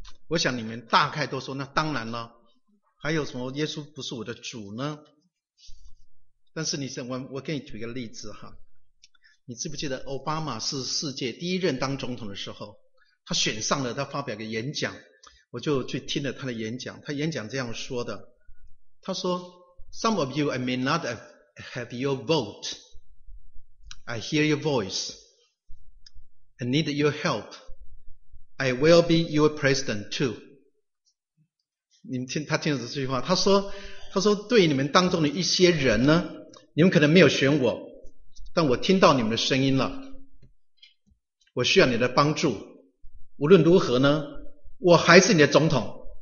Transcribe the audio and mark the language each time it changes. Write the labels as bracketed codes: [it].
[zh] 我想你们大概都说那当然了，还有什么耶稣不是我的主呢？但是你想，我给你举个例子哈，你记不记得奥巴马是世界第一任当总统的时候，他选上了，他发表个演讲。我就去听了他的演讲，他演讲这样说的，他说 [en] Some of you I may not have your vote, I hear your voice, I need your help, I will be your president too. [zh] 你们听他听了这句话，他说对你们当中的一些人呢，你们可能没有选我，但我听到你们的声音了，我需要你的帮助，无论如何呢，我还是你的总统。